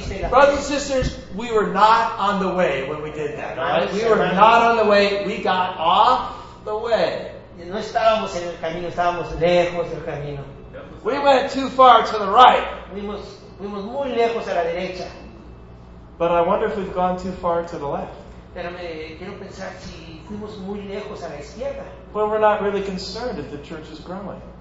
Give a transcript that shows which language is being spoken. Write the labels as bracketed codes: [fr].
[en] Brothers and sisters, we were not on the way when we did that, right? We were not on the way. We got off the way. [es] No estábamos en el camino. Estábamos lejos del camino. [en] We went too far to the right. [es] Fuimos muy lejos a la derecha. [en] But I wonder if we've gone too far to the left. [es] Pero me quiero pensar si fuimos muy lejos a la izquierda. [en] Well, we're not really concerned if the church is growing.